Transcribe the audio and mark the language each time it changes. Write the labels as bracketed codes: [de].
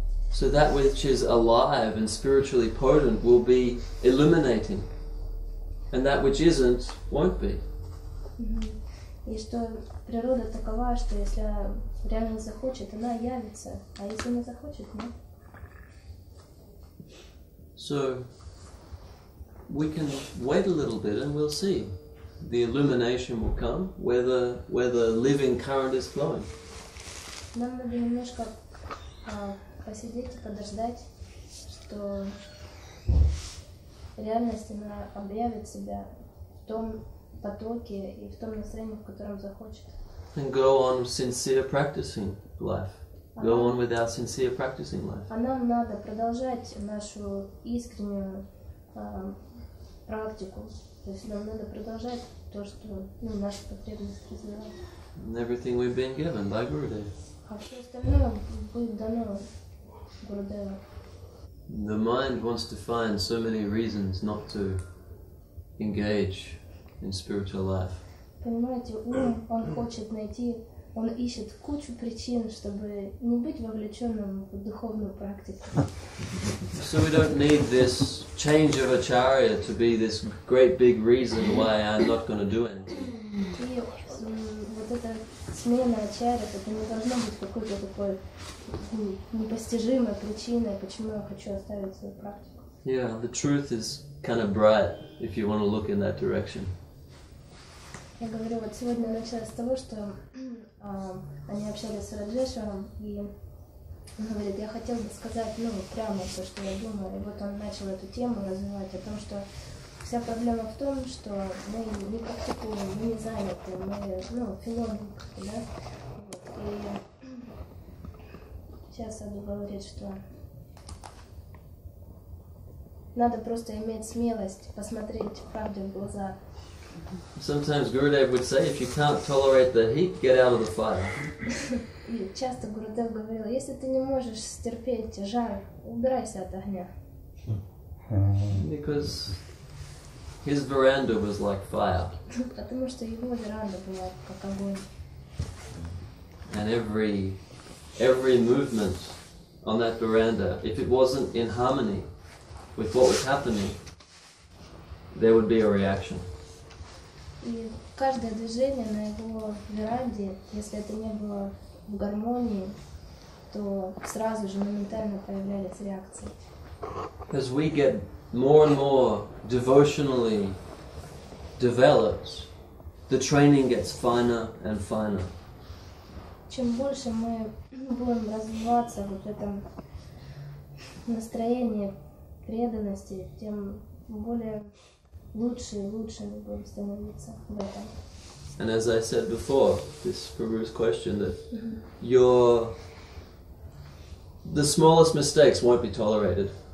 [en] So that which is alive and spiritually potent will be illuminating, and that which isn't won't be. [ru] И что природа такова, что если реально захочет, она явится, а если не захочет, нет. [en] So we can wait a little bit, and we'll see. The illumination will come where the living current is flowing. [ru] Нам надо немножко посидеть и подождать, что реальность она объявит себя в том потоке и в том настроении, в котором захочет. [en] And go on sincere practicing life. Go on with our sincere practicing life. [ru] А нам надо продолжать нашу искреннюю практику. То есть нам надо продолжать то, что ну, наши потребности развивают. [en] And everything we've been given by Gurudev. The mind wants to find so many reasons not to engage in spiritual life. [ru] Понимаете, ум он хочет найти, он ищет кучу причин, чтобы не быть вовлеченным в духовную практику. [en] So we don't need this change of acharya to be this great big reason why I'm not going to do it. [ru] Смена очаря, это не должно быть какой-то такой непостижимой причиной, почему я хочу оставить свою практику. [en] Yeah, the truth is kind of bright if you want to look in that direction. [ru] Я говорю, вот сегодня началось с того, что они общались с Раджешем, и он говорит, я хотел бы сказать, ну, прямо то, что я думаю. И вот он начал эту тему развивать о том, что вся проблема в том, что мы не практикуем, мы не заняты, мы, ну, филологи, да? И сейчас Саду говорит, что надо просто иметь смелость посмотреть правде в глаза. [en] Sometimes Gurudev would say, if you can't tolerate the heat, get out of the fire. [ru] И часто Гурудев говорил, если ты не можешь стерпеть жар, убирайся от огня. [en] Because his veranda was like fire. [ru] Потому что его веранда была как огонь. [en] And every movement on that veranda, if it wasn't in harmony with what was happening, there would be a reaction. [ru] И каждое движение на его веранде, если это не было в гармонии, то сразу же моментально появлялись реакции. [en] As we get more and more devotionally develops, the training gets finer and finer. [ru] Чем больше мы будем развиваться вот в этом настроении преданности, тем более лучше и лучше мы будем становиться в этом. [en] And as I said before, this Prabhu's question that your the smallest mistakes won't be tolerated.